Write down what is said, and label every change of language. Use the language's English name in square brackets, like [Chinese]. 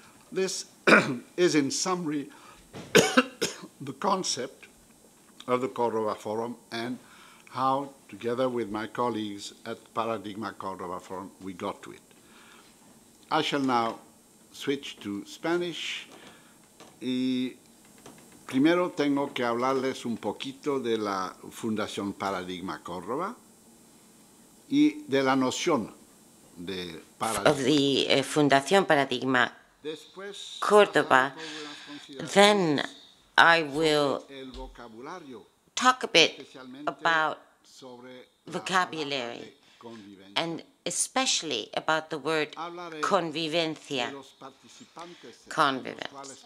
[English] this is in summary the concept of the Córdoba Forum and how, together with my colleagues at Paradigma Córdoba Forum, we got to it. I shall now switch to Spanish. [Spanish] Y primero tengo que hablarles un poquito de la Fundación Paradigma Córdoba y de la noción de [English] Paradigma. Of the Fundación Paradigma Córdoba. Then I will talk a bit about vocabulary and especially about the word convivencia, convivence.